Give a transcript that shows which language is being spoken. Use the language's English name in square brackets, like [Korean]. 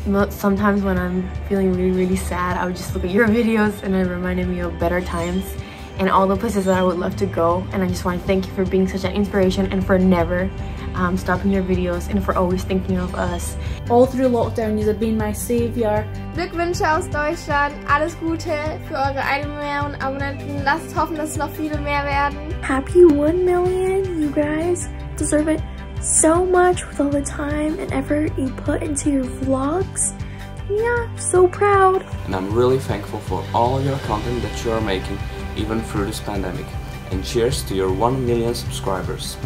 [English] Sometimes when I'm feeling really, really sad, I would just look at your videos and it reminded me of better times and all the places that I would love to go. And I just want to thank you for being such an inspiration and for never stopping your videos and for always thinking of us. All through lockdown, you have been my savior. [German] Glückwünsche aus Deutschland. Alles Gute für eure 1 Million Abonnenten. Lasst hoffen, dass noch viele mehr werden. [English] Happy 1 million, you guys deserve it so much with all the time and effort you put into your vlogs. Yeah, so proud. And I'm really thankful for all your content that you are making, even through this pandemic. And cheers to your 1 million subscribers.